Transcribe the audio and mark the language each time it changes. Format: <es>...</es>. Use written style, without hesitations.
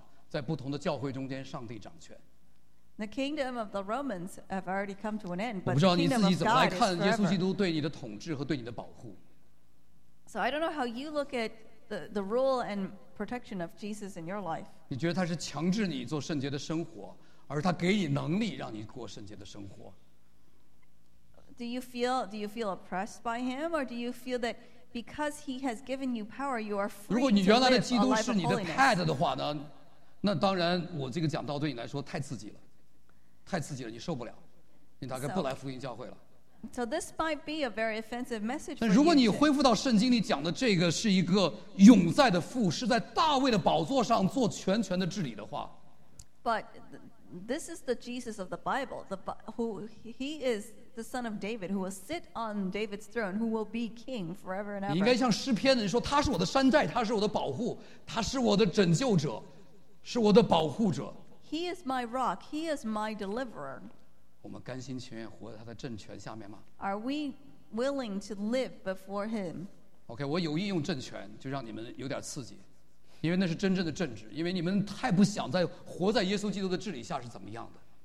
<zh>罗马帝国已经消亡了，但是人子的国度今天在哪里？仍然在这个星球上，在不同的教会中间，上帝掌权。</zh> <en>The kingdom of the Romans have already come to an end, but</en> <zh>我不知道你自己怎么来看耶稣基督对你的统治和对你的保护。</zh> <en>So I don't know how you look at the rule and protection of Jesus in your life.</en> <zh>你觉得他是强制你做圣洁的生活，而他给你能力让你过圣洁的生活？</zh> <en>Do you feel oppressed by him, or do you feel that because he has given you power, you are free?</en> <zh>如果你原来的基督是你的 pet 的话呢，那当然我这个讲道对你来说太刺激了，太刺激了，你受不了，你大概不来福音教会了。</zh> <en>So this might be a very offensive message.</en> <zh>但如果你恢复到圣经里讲的这个是一个永在的父，是在大卫的宝座上做全权的治理的话。</zh> <en>But this is the Jesus of the Bible, who he is the son of David, who will sit on David's throne, who will be king forever and ever.</en> <zh>你应该像诗篇的人说，他是我的山寨，他是我的保护，他是我的拯救者，是我的保护者。</zh> <en>He is my rock. He is my deliverer.</en> <zh>我们甘心情愿活在他的政权下面吗？</zh> <en>Are we willing to live before him?</en> <zh>OK, 我有意用政权就让你们有点刺激，因为那是真正的政治，因为你们太不想再活在耶稣基督的治理下是怎么样的。</zh>